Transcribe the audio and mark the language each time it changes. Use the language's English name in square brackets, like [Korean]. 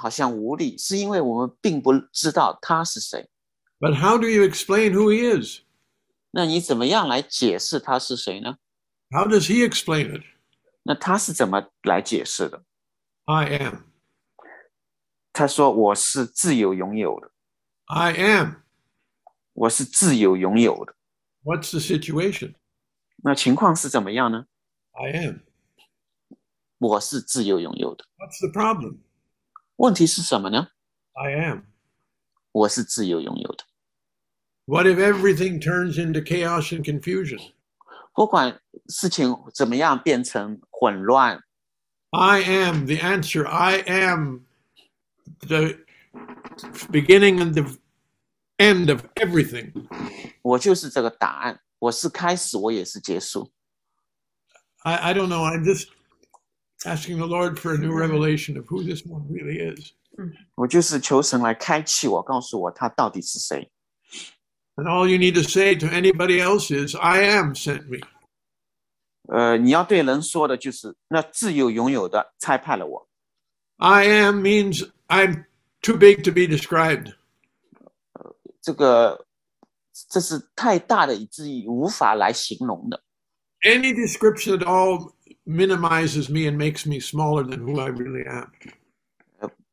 [Chinese] 我们常常感到软弱，好像无力，是因为我们并不知道他是谁。 [English] But how do you explain who he is? [Chinese] 那你怎么样来解释他是谁呢？ [English] How does he explain it? [Chinese] 那他是怎么来解释的？ [English] I am. [Chinese] 他说我是自由拥有的。 [English] I am. [Chinese] 我是自由拥有的。 [English] What's the situation? [Chinese] 那情况是怎么样呢？ [English] I am. [Chinese] 我是自由拥有的。 [English] What's the problem? [Chinese] 问题是什么呢？ [English] I am. [Chinese] 我是自由拥有的。 [English] What if everything turns into chaos and confusion? [Chinese] 不管事情怎么样变成混乱。 [English] I am the answer. I am the beginning and the end of everything. [Chinese] 我就是这个答案，我是开始，我也是结束。 [English] I don't know, I'm just asking the Lord for a new revelation of who this one really is. [Chinese] 我就是求神来开启我，告诉我他到底是谁。 [English] And all you need to say to anybody else is, I am sent me. [Chinese] 你要对人说的就是，那自由拥有的差派了我。 [English] I am means I'm too big to be described. [Chinese] 这是太大的，以至于无法来形容的。 [English] Any description at all minimizes me and makes me smaller than who I really am.